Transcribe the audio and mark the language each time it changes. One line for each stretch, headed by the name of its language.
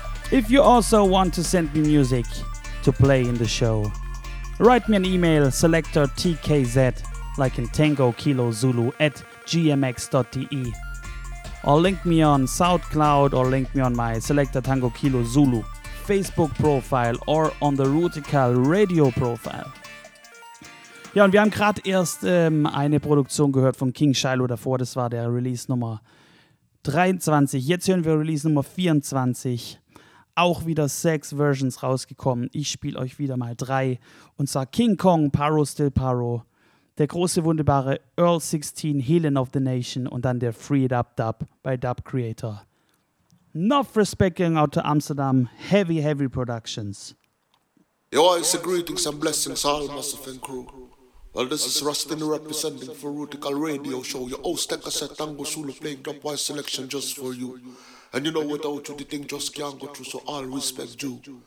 English: If you also want to send me music to play in the show, write me an email, selectortkz, like in tango kilo zulu at gmx.de, or link me on SoundCloud, or link me on my Selector Tango Kilo Zulu Facebook profile, or on the Rootikal Radio profile.
German: Ja, und wir haben gerade erst eine Produktion gehört von King Shiloh davor, das war der Release Nummer 23. Jetzt hören wir Release Nummer 24. auch wieder 6 Versions rausgekommen. Ich spiele euch wieder mal 3 und zwar King Kong, Paro Still Paro, der große wunderbare Earl 16, Healing of the Nation und dann der Free It Up Dub bei Dub Creator.
English: Enough respect going out to Amsterdam, Heavy Heavy Productions. Yo, it's a greetings and blessings all massive and crew. Well, this is Rustin representing for Rootikal Radio Show. Your host, Tekka said Tango Sulu playing drop wise selection just for you. And you know, without you, the thing just can't go through, so all respect you.